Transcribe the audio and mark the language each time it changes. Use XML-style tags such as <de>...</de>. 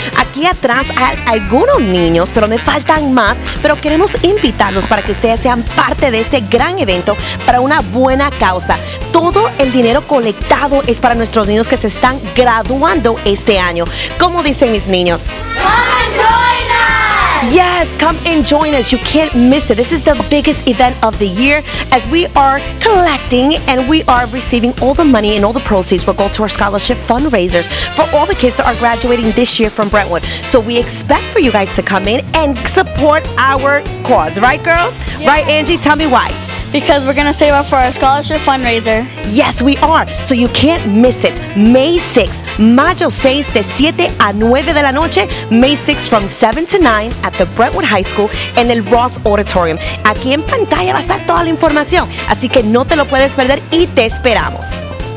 <es>Aquí atrás hay algunos niños, pero me faltan más, pero queremos invitarlos para que ustedes sean parte de este gran evento para una buena causa. Todo el dinero colectado es para nuestros niños que se están graduando este año. ¿Cómo dicen mis niños?</es> <en>Come and join us. Yes, come and join us. You can't miss it. This is the biggest event of the year as we are collecting and we are receiving all the money and all the proceeds will go to our scholarship fundraisers for all the kids that are graduating this year from Brentwood. So we expect for you guys to come in and support our cause. Right, girls? Yes. Right, Angie? Tell me why. Because we're going to save up for our scholarship fundraiser. Yes, we are. So you can't miss it. May 6th,</en> <es>Mayo 6th, de 7 a 9 de la noche.</es> <en>May 6th from 7 to 9 at the Brentwood High School and el Ross Auditorium.</en> <es>Aquí en pantalla va a estar toda la información. Así que no te lo puedes perder y te esperamos.</es>